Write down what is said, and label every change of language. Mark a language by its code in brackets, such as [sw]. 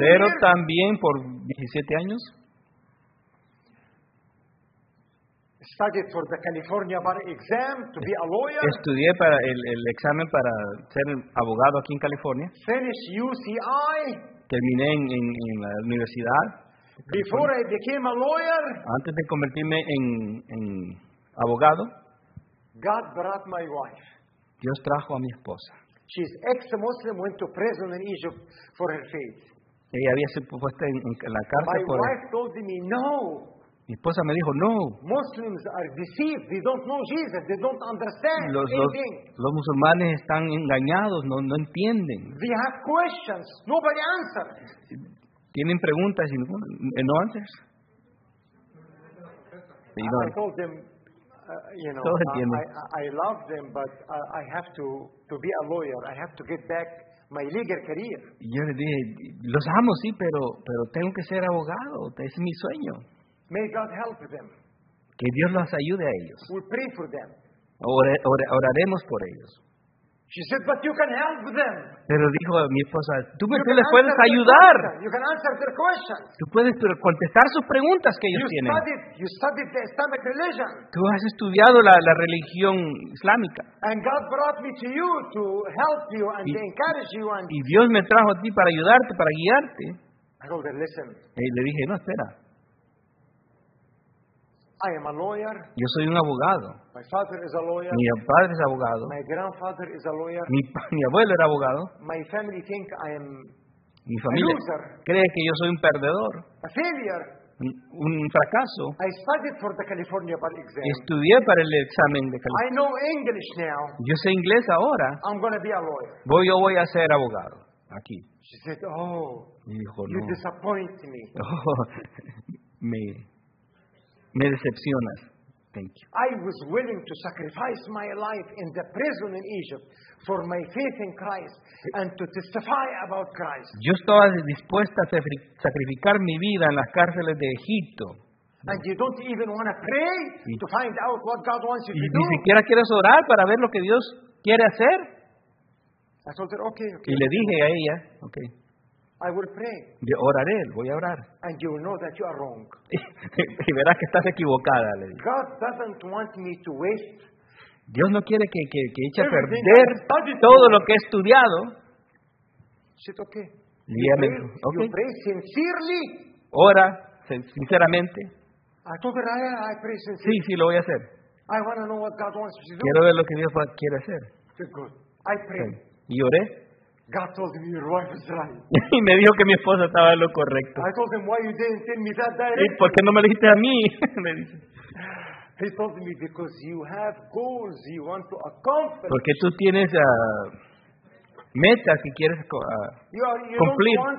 [es] Mesero también por 17 años. [en] Studied for the California bar exam to be a lawyer. [es] Estudié para el examen para ser abogado aquí en California. [en] Finished UCI. [es] Terminé en la universidad. [en] Before I became a lawyer. [es] Antes de convertirme en abogado. [en] God brought my wife. [es] Dios trajo a mi esposa. [en] She's ex-Muslim, went to prison in Egypt for her faith. [es] Ella había sido puesta en la cárcel por. [en] My wife told me no. [es] Mi esposa me dijo no. [en] Muslims are deceived. They don't know Jesus. They don't understand anything. [es] Los musulmanes están engañados. No entienden. [en] They have questions. Nobody answers. [es] Tienen preguntas y no [en] answers. I told them, I love them, but I have to be a lawyer. I have to get back my legal career. [es] Yo le dije, los amo sí, pero tengo que ser abogado. Es mi sueño. [en] May God help them. [es] Que Dios los ayude a ellos. [en] We'll pray for them. [es] Oraremos por ellos. [en] She said, but you can help them. [es] Pero dijo mi esposa, tú me les puedes ayudar. [en] You can answer their questions. [es] Tú puedes contestar sus preguntas que ellos tienen. [en] You studied the Islamic religion. [es] Tú has estudiado la religión islámica. [en] And God brought me to you to help you and to encourage you. And [es] y Dios me trajo a ti para ayudarte, para guiarte. [en] I told her, listen. [es] Y le dije, no, espera. [en] I am a lawyer. [es] Yo soy un abogado. [en] My father is a lawyer. [es] Mi padre es abogado. [en] My grandfather is a lawyer. [es] Mi abuelo era abogado. [en] My family think I am [es] mi familia [en] a loser. [es] Cree que yo soy un perdedor. [en] A failure. [es] Un fracaso. [en] I studied for the California bar exam. [es] Estudié para el examen de California. [en] I know English now. [es] Yo sé inglés ahora. [en] I'm going to be a lawyer. [es] Yo voy a ser abogado aquí. [en] She said, oh, [es] dijo, [en] you [es] no. [en] Disappoint me. [es] Oh, me decepcionas. [en] Thank you. I was willing to sacrifice my life in the prison in Egypt for my faith in Christ and to testify about Christ. [es] Yo estaba dispuesta a sacrificar mi vida en las cárceles de Egipto [en] And you don't even want to pray to find out what God wants you to do. [es] Y ni siquiera quieres orar para ver lo que Dios quiere hacer. [en] I told her, okay, okay. [es] Y le dije a ella, okay. [en] I will pray. [es] Yo oraré, voy a orar. [en] And you will know that you are wrong. [es] Y verás que estás equivocada, le dije. [en] God doesn't want me to waste. [es] Dios no quiere que eche a perder todo lo que he estudiado. [en] She said, okay. [es] Y ella me dijo, [en] okay. You pray sincerely. [es] Ora sinceramente. [en] I told her I pray sincerely. [es] Sí, sí, lo voy a hacer. [en] I want to know what God wants to do. [es] Quiero ver lo que Dios quiere hacer. [en] Good. I pray. [es] Y oré. [en] God told me your wife is right. [es] Y me dijo que mi esposa estaba en lo correcto. [en] I told him why you didn't tell me that directly. [es] ¿Y por qué no me lo dijiste a mí? Me dice. [en] He told me because you have goals you want to accomplish. [es] Porque tú tienes metas que quieres cumplir.